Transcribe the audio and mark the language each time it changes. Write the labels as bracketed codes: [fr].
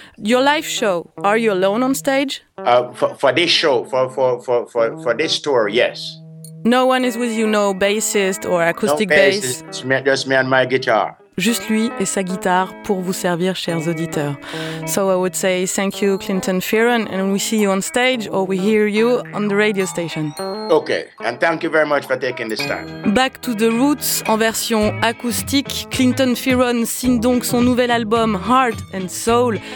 [en] Your live show, are you alone on stage? For this show, for this tour, yes. No one is with you, no bassist or acoustic bass? No bassist, just me and my guitar. [fr] Juste lui et sa guitare pour vous servir, chers auditeurs. [en] So I would say thank you, Clinton Fearon, and we see you on stage or we hear you on the radio station. Okay, and thank you very much for taking this time. Back to the Roots [fr] en version acoustique. Clinton Fearon signe donc son nouvel album Heart and Soul.